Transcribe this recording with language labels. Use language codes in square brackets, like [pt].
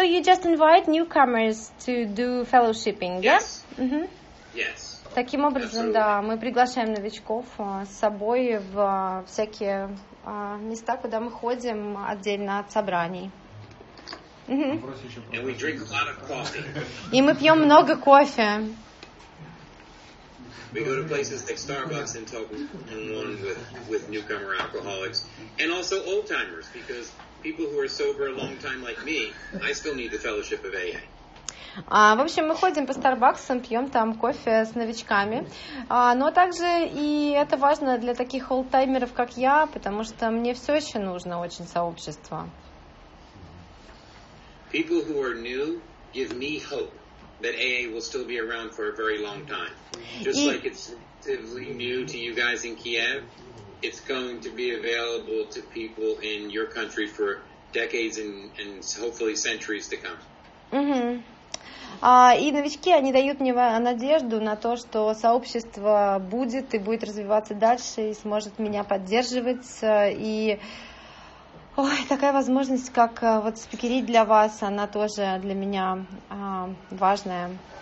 [en] you just invite newcomers to do fellowshipping, yes? Yes. Mm-hmm. Yes. [ru] Таким образом, [en] Absolutely. [ru] Да, мы приглашаем новичков с собой в всякие места, куда мы ходим отдельно от собраний. [en] And we drink a lot of coffee. [ru] И мы пьем много кофе. [en] We go to places like Starbucks and talk one with newcomer alcoholics and also old timers, because people who are sober a long time like me, I still need the fellowship of AA. [ru] В общем, мы ходим по Старбаксам, пьем там кофе с новичками. Но также и это важно для таких олдтаймеров, как я, потому что мне все еще нужно очень сообщество. [en] People who are new give me hope that AA will still be around for a very long time. Just like it's relatively new to you guys in Kiev, it's going to be available to people in your country for decades and hopefully centuries to come. Mm-hmm. [ru] И новички, они дают мне надежду на то, что сообщество будет и будет развиваться дальше, и сможет меня поддерживать. И такая возможность, как вот спикерить для вас, она тоже для меня важная.